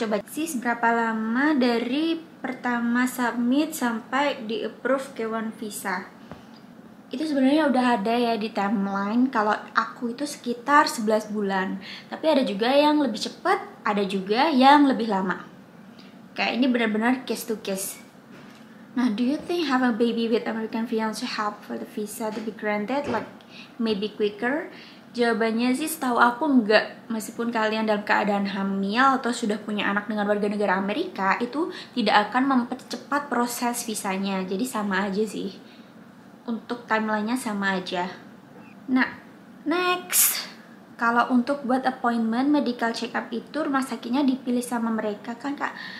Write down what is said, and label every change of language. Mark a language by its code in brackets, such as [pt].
[id] Coba sih, berapa lama dari pertama submit sampai di approve K1 visa? Itu sebenarnya udah ada ya di timeline. Kalau aku itu sekitar 11 bulan. Tapi ada juga yang lebih cepat, ada juga yang lebih lama. Kayak ini benar-benar [en] case to case. Nah, do you think having a baby with American fiancé help for the visa to be granted, like maybe quicker? [id] Jawabannya sih setahu aku enggak. Meskipun kalian dalam keadaan hamil atau sudah punya anak dengan warga negara Amerika, itu tidak akan mempercepat proses visanya. Jadi sama aja sih. Untuk timelinenya sama aja. Nah, next. Kalau untuk buat [en] appointment medical check up [id] itu rumah sakitnya dipilih sama mereka kan, Kak?